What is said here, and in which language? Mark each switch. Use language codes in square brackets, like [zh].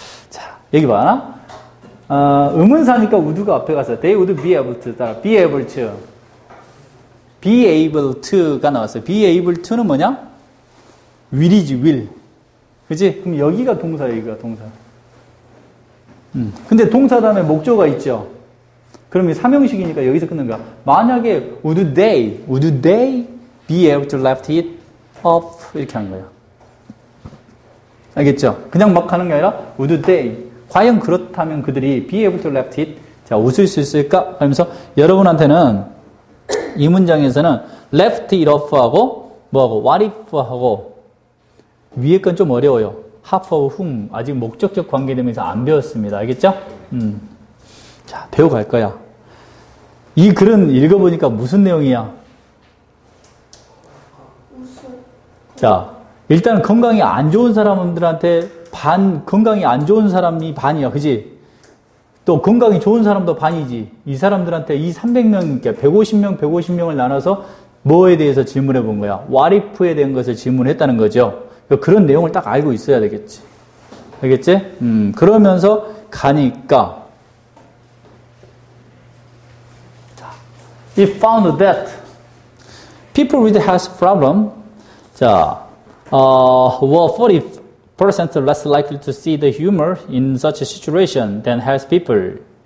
[ko] 자, 여기 봐. 의문사니까 우드가 앞에 가서 [en] they would be able to [ko] 따라 be able to. be able to가 나왔어요. be able to는 뭐냐? will이지, will. 그치? 그럼 여기가 동사예요, 여기가 동사. 근데 동사 다음에 목적어가 있죠? 그럼 이 삼형식이니까 여기서 끊는 거야. [en] 만약에 would they be able to lift it up? [ko] 이렇게 한 거야. 알겠죠? 그냥 막 하는 게 아니라 would they. 과연 그렇다면 그들이 [en] be able to lift it? [ko] 자, 웃을 수 있을까? 하면서 여러분한테는 이 문장에서는 [en] left it off [ko] 하고 뭐하고 what if 하고 위에 건 좀 어려워요. [en] half of whom [ko] 아직 목적적 관계되면서 안 배웠습니다. 알겠죠? 자, 배워갈 거야. 이 글은 읽어보니까 무슨 내용이야? 자, 일단 건강이 안 좋은 사람들한테 반 건강이 안 좋은 사람이 반이야. 그지? 또 건강이 좋은 사람도 반이지. 이 사람들한테 이 300명께 150명을 나눠서 뭐에 대해서 질문해 본 거야. What if에 대한 것을 질문했다는 거죠. 그런 내용을 딱 알고 있어야 되겠지. 알겠지? [en] 그러면서 가니까 자, he found that people with health problem 자, were 40% less likely to see the humor in such a situation than health people.